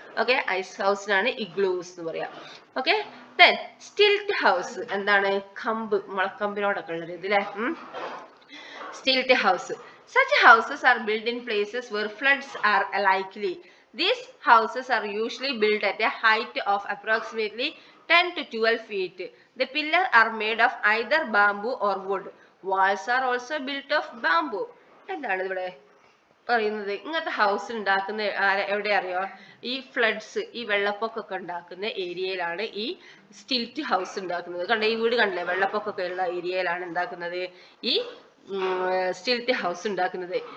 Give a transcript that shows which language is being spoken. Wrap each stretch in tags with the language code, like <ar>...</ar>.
<ml>Okay, ice ഹൗസിനാണ് igloos എന്ന് പറയാം. Okay, then stilt house എന്താണ്, കമ്പ് മുളക്കമ്പിനോടൊക്കെ ഉള്ളത് ഇതിലെ stilt house.</ml> <en>Such houses are build in places where floods are likely. These houses are usually build at a height of approximately 10 to 12 feet. The pillars are made of either bamboo or wood. Walls are also built of bamboo.</en> <ml>എന്താണ് ഇവിടെ പറയുന്നത്, ഇങ്ങനത്തെ house ഉണ്ടാക്കുന്ന എവിടെ അറിയോ, ഈ floods ഈ വെള്ളപ്പൊക്കൊക്കെ ഉണ്ടാക്കുന്ന ഏരിയയിലാണ് ഈ സ്റ്റിൽറ്റ് ഹൗസ് ഉണ്ടാക്കുന്നത്. കണ്ടോ ഈ വീട് കണ്ടില്ലേ, വെള്ളപ്പൊക്കൊക്കെ ഉള്ള ഏരിയയിലാണ് ഉണ്ടാക്കുന്നത് ഈ സ്റ്റിൽറ്റ് ഹൗസ് ഉണ്ടാക്കുന്നത്.</ml>